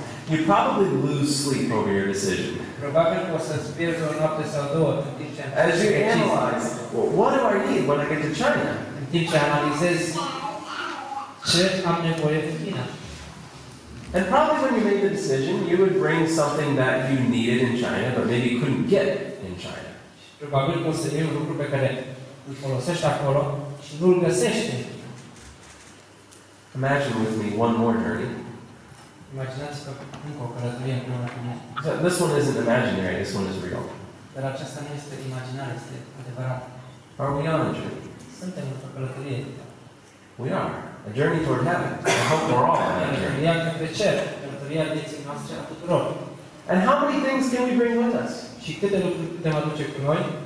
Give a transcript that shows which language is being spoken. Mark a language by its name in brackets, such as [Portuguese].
[English] You'd probably lose sleep over your decision. [Romanian] Probabil că o să-ți pierzi o noapte sau două. [English] As you analyze, what do I need when I get to China? [Romanian] În timp ce analizezi ce am nevoie în China. [English] And probably when you made the decision, you would bring something that you needed in China, but maybe you couldn't get in China. [Romanian] Probabil că o să iei un lucru pe care îl folosești acolo și nu îl găsești. [English] Imagine with me one more journey. [Romanian] Imaginați-vă încă o călătorie împreună cu mine. [English] So this one isn't imaginary, this one is real. [Romanian] Dar aceasta nu este imaginară, este adevărat. [English] Are we on a journey? [Romanian] Suntem într-o călătorie. [English] We are. A journey toward heaven. I hope we're all on that journey. [Romanian] Călătoria către cer, călătoria vieții noastre a tuturor. [English] And how many things can we bring with us? [Romanian] Și câte lucruri putem aduce cu noi?